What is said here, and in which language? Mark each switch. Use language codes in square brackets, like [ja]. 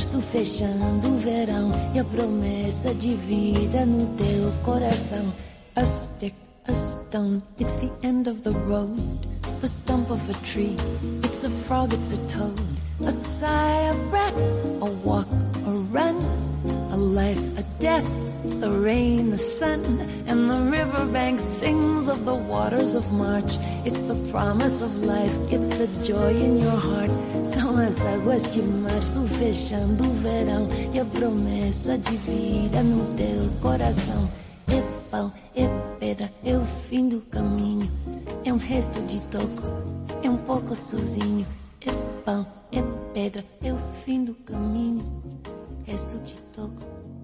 [pt] Fechando o verão e a promessa de vida no teu coração. [en] A stick, a stone, it's the end of the road. The stump of a tree, it's a frog, it's a toad. A sigh, a breath, a walk, a run. A life, a death, the rain, the sun, and the riverbank sings of the waters of March. It's the promise of life, it's the joy in your heart. [pt] São as águas de março fechando o verão, e a promessa de vida no teu coração. É pau, é pedra, é o fim do caminho, é um resto de toco, é um pouco sozinho. É pau, é pedra, é o fim do caminho, resto de toco.